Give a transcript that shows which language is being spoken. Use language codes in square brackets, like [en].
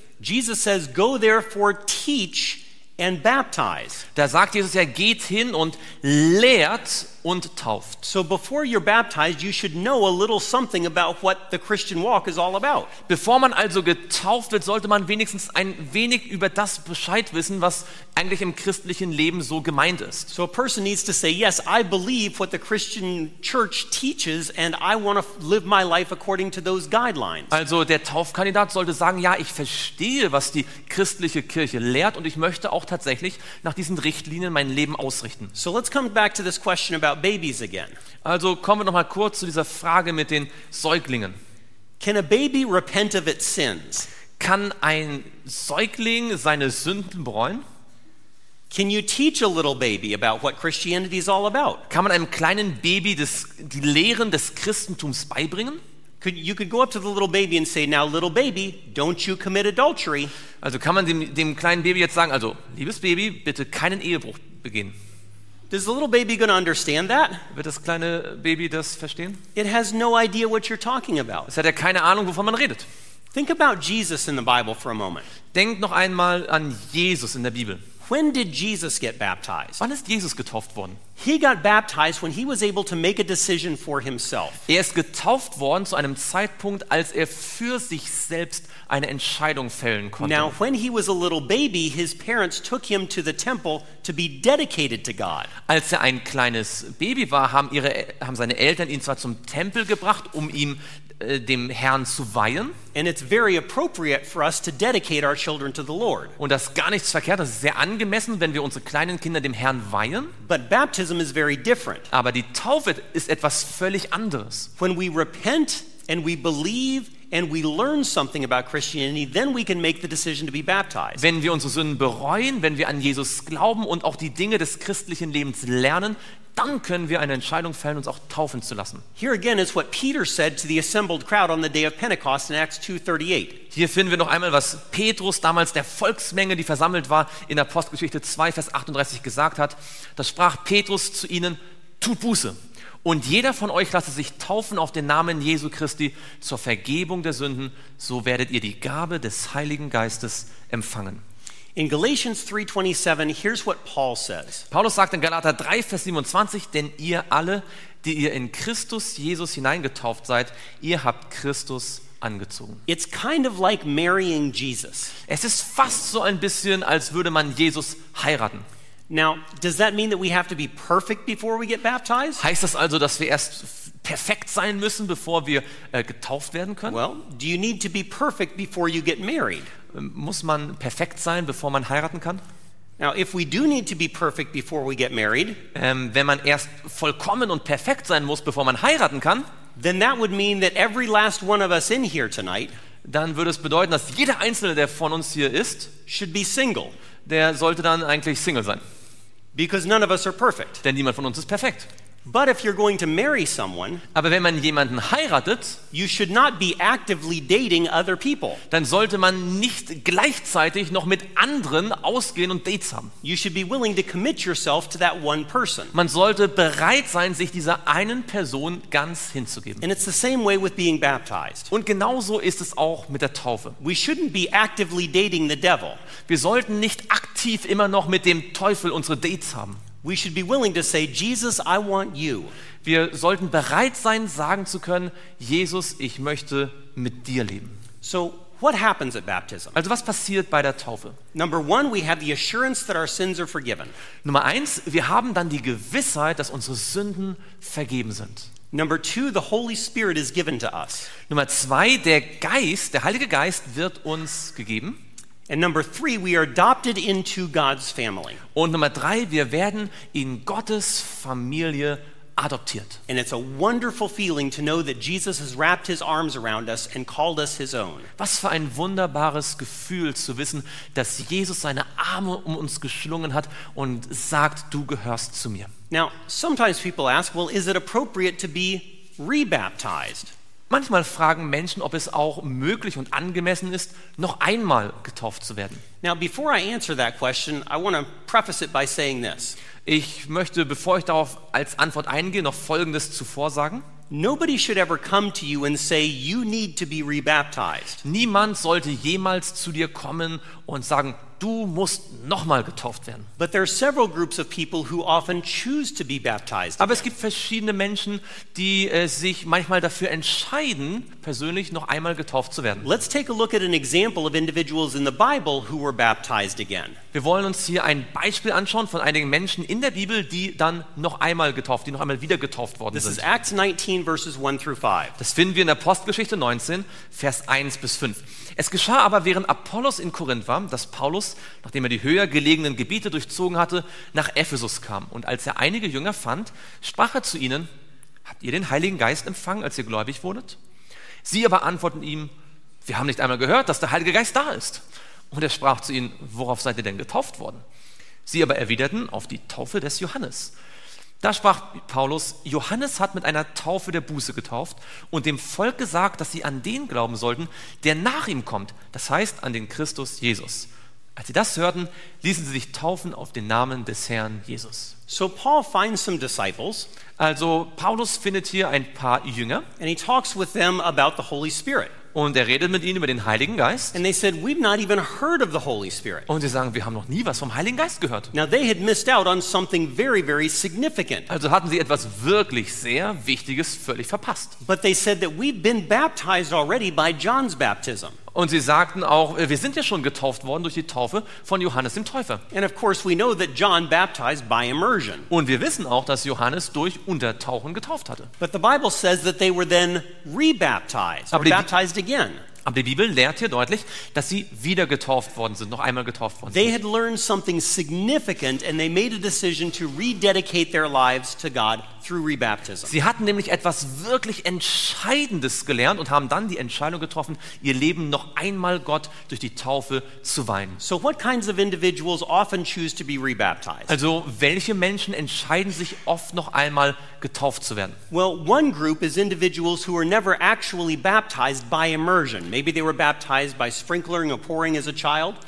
[en] Jesus says, go therefore teach and baptize. [de] Da sagt Jesus ja, geht hin und lehrt und tauft. [en] So before you're baptized, you should know a little something about what the Christian walk is all about. [de] Bevor man also getauft wird, sollte man wenigstens ein wenig über das Bescheid wissen, was eigentlich im christlichen Leben so gemeint ist. [en] So a person needs to say, yes, I believe what the Christian church teaches and I want to live my life according to those guidelines. [de] Also der Taufkandidat sollte sagen, ja, ich verstehe, was die christliche Kirche lehrt und ich möchte auch tatsächlich nach diesen Richtlinien mein Leben ausrichten. [en] So let's come back to this question about babies again. [de] Also kommen wir noch mal kurz zu dieser Frage mit den Säuglingen. [en] Can a baby repent of its sins? [de] Kann ein Säugling seine Sünden bereuen? [en] Can you teach a little baby about what Christianity is all about? [de] Kann man einem kleinen Baby die Lehren des Christentums beibringen? [en] You could go up to the little baby and say, "Now, little baby, don't you commit adultery?" [de] Also kann man dem kleinen Baby jetzt sagen, also liebes Baby, bitte keinen Ehebruch begehen. [en] Does the little baby going to understand that? [de] Wird das kleine Baby das verstehen? [en] It has no idea what you're talking about. [de] Es hat ja keine Ahnung, wovon man redet. [en] Think about Jesus in the Bible for a moment. [de] Denkt noch einmal an Jesus in der Bibel. [en] When did Jesus get baptized? [de] Wann ist Jesus getauft worden? [en] He got baptized when he was able to make a decision for himself. [de] Er ist getauft worden zu einem Zeitpunkt, als er für sich selbst eine Entscheidung fällen konnte. [en] Now, when he was a little baby, his parents took him to the temple to be dedicated to God. [de] Als er ein kleines Baby war, haben seine Eltern ihn zwar zum Tempel gebracht, um ihm dem Herrn zu weihen. [en] And it's very appropriate for us to dedicate our children to the Lord. [de] Und das ist gar nichts verkehrt, das ist sehr angemessen, wenn wir unsere kleinen Kinder dem Herrn weihen. [en] But baptism is very different. [de] Aber die Taufe ist etwas völlig anderes. [en] When we repent and we believe and we learn something about Christianity, then we can make the decision to be baptized. [de] Wenn wir unsere Sünden bereuen, wenn wir an Jesus glauben und auch die Dinge des christlichen Lebens lernen, dann können wir eine Entscheidung fällen, uns auch taufen zu lassen. [en] Here again is what Peter said to the assembled crowd on the day of Pentecost in Acts 2:38. [de] Hier finden wir noch einmal, was Petrus damals der Volksmenge, die versammelt war, in Apostelgeschichte 2, Vers 38 gesagt hat. Da sprach Petrus zu ihnen, tut Buße Und jeder von euch lasse sich taufen auf den Namen Jesu Christi zur Vergebung der Sünden, so werdet ihr die Gabe des Heiligen Geistes empfangen. [en] In Galatians 3:27, here's what Paul says. [de] Paulus sagt in Galater 3, Vers 27, denn ihr alle, die ihr in Christus Jesus hineingetauft seid, ihr habt Christus angezogen. [en] It's kind of like marrying Jesus. [de] Es ist fast so ein bisschen, als würde man Jesus heiraten. [en] Now, does that mean that we have to be perfect before we get baptized? [de] Heißt das also, dass wir erst perfekt sein müssen, bevor wir getauft werden können? [en] Well, do you need to be perfect before you get married? [de] Muss man perfekt sein, bevor man heiraten kann? [en] Now, if we do need to be perfect before we get married, [de] wenn man erst vollkommen und perfekt sein muss, bevor man heiraten kann, [en] then that would mean that every last one of us in here tonight, [de] dann würde es bedeuten, dass jeder einzelne, der von uns hier ist, [en] should be single. [de] Der sollte dann eigentlich Single sein. [en] Because none of us are perfect. [de] Denn niemand von uns ist perfekt. [en] But if you're going to marry someone, [de] aber wenn man jemanden heiratet, [en] you should not be actively dating other people. [de] Dann sollte man nicht gleichzeitig noch mit anderen ausgehen und Dates haben. [en] You should be willing to commit yourself to that one person. [de] Man sollte bereit sein, sich dieser einen Person ganz hinzugeben. [en] And it's the same way with being baptized. [de] Und genauso ist es auch mit der Taufe. [en] We shouldn't be actively dating the devil. [de] Wir sollten nicht aktiv immer noch mit dem Teufel unsere Dates haben. [en] We should be willing to say, Jesus, I want you. [de] Wir sollten bereit sein, sagen zu können, Jesus, ich möchte mit dir leben. [en] So, what happens at baptism? [de] Also, was passiert bei der Taufe? [en] Number one, we have the assurance that our sins are forgiven. [de] Nummer eins, wir haben dann die Gewissheit, dass unsere Sünden vergeben sind. [en] Number two, the Holy Spirit is given to us. [de] Nummer zwei, der Geist, der Heilige Geist, wird uns gegeben. [en] And number three, we are adopted into God's family. [de] Und Nummer drei, wir werden in Gottes Familie adoptiert. [en] And it's a wonderful feeling to know that Jesus has wrapped his arms around us and called us his own. [de] Was für ein wunderbares Gefühl zu wissen, dass Jesus seine Arme um uns geschlungen hat und sagt, du gehörst zu mir. [en] Now, sometimes people ask, well, is it appropriate to be rebaptized? [de] Manchmal fragen Menschen, ob es auch möglich und angemessen ist, noch einmal getauft zu werden. [en] Now, before I answer that question, I want to preface it by saying this. [de] Ich möchte, bevor ich darauf als Antwort eingehe, noch Folgendes zuvor sagen. [en] Nobody should ever come to you and say, you need to be rebaptized. [de] Niemand sollte jemals zu dir kommen und sagen, du musst nochmal getauft werden. [en] But there are several groups of people who often choose to be baptized. [de] Aber es gibt verschiedene Menschen, die sich manchmal dafür entscheiden, persönlich noch einmal getauft zu werden. [en] Let's take a look at an example of individuals in the Bible who were baptized again. [de] Wir wollen uns hier ein Beispiel anschauen von einigen Menschen in der Bibel, die dann noch einmal getauft, die noch einmal wieder getauft worden sind. [en] is Acts 19 verses 1 through 5. [de] Das finden wir in Apostelgeschichte 19, Vers 1 bis 5. Es geschah aber, während Apollos in Korinth war, dass Paulus, nachdem er die höher gelegenen Gebiete durchzogen hatte, nach Ephesus kam. Und als er einige Jünger fand, sprach er zu ihnen, habt ihr den Heiligen Geist empfangen, als ihr gläubig wurdet? Sie aber antworten ihm, wir haben nicht einmal gehört, dass der Heilige Geist da ist. Und er sprach zu ihnen, worauf seid ihr denn getauft worden? Sie aber erwiderten, auf die Taufe des Johannes. Da sprach Paulus, Johannes hat mit einer Taufe der Buße getauft und dem Volk gesagt, dass sie an den glauben sollten, der nach ihm kommt, das heißt an den Christus Jesus. Als sie das hörten, ließen sie sich taufen auf den Namen des Herrn Jesus. [en] So Paul finds some disciples. [de] Also Paulus findet hier ein paar Jünger. [en] And he talks with them about the Holy Spirit. [de] Und er redet mit ihnen über den Heiligen Geist. [en] And they said, we've not even heard of the Holy Spirit. [de] Und sie sagen, wir haben noch nie was vom Heiligen Geist gehört. [en] Now they had missed out on something very, very significant. [de] Also hatten sie etwas wirklich sehr Wichtiges völlig verpasst. [en] But they said that we've been baptized already by John's baptism. [de] Und sie sagten auch, wir sind ja schon getauft worden durch die Taufe von Johannes dem Täufer. [en] And of course we know that John baptized by immersion. [de] Und wir wissen auch, dass Johannes durch Untertauchen getauft hatte. [en] But the Bible says that they were then rebaptized, or baptized again. [de] Aber die Bibel lehrt hier deutlich, dass sie wieder getauft worden sind, noch einmal getauft worden sind. [en] They had learned something significant and they made a decision to rededicate their lives to God through rebaptism. [de] Sie hatten nämlich etwas wirklich Entscheidendes gelernt und haben dann die Entscheidung getroffen, ihr Leben noch einmal Gott durch die Taufe zu weihen. [en] So what kinds of individuals often choose to be rebaptized? [de] Also, welche Menschen entscheiden sich oft noch einmal getauft zu werden? [en] Well, one group is individuals who are never actually baptized by immersion. Maybe they were baptized by sprinkling or pouring as a child.